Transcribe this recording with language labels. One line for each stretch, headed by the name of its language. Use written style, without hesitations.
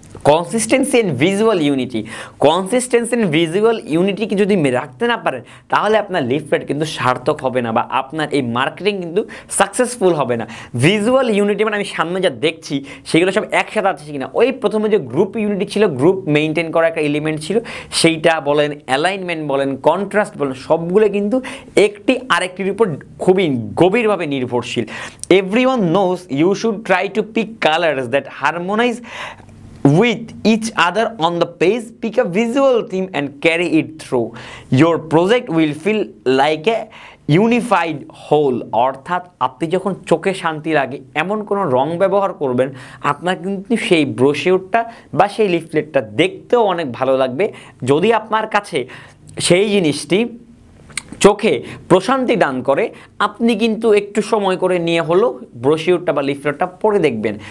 Bangla: Consistency and visual unity, consistency and visual ইউনিটিকে যদি রাখতে না পারেন তাহলে আপনার লিফলেট কিন্তু সার্থক হবে না বা আপনার এই মার্কেটিং কিন্তু সাকসেসফুল হবে না। ভিজুয়াল ইউনিটি মানে আমি সামনে যা দেখছি সেগুলো সব একসাথে আছে কিনা, ওই প্রথমে যে গ্রুপ ইউনিটি ছিল, গ্রুপ মেনটেন করা একটা এলিমেন্ট ছিল, সেইটা বলেন, অ্যালাইনমেন্ট বলেন, কন্ট্রাস্ট বলেন, সবগুলো কিন্তু একটি আরেকটির উপর খুবই গভীরভাবে নির্ভরশীল।
English: Every one knows you should try to pick colours that harmonise with each other on the page, pick a visual theme and carry it through. Your project will feel like a unified whole,
Bangla: অর্থাৎ আপনি যখন চোখে শান্তি লাগে এমন কোনো রং ব্যবহার করবেন আপনার কিন্তু সেই ব্রোশিওরটা বা সেই লিফলেটটা দেখতেও অনেক ভালো লাগবে। যদি আপনার কাছে সেই জিনিসটি চোখে প্রশান্তি দান করে আপনি কিন্তু একটু সময় করে নিয়ে হলো ব্রোশিওরটা বা লিফলেটটা পড়ে দেখবেন।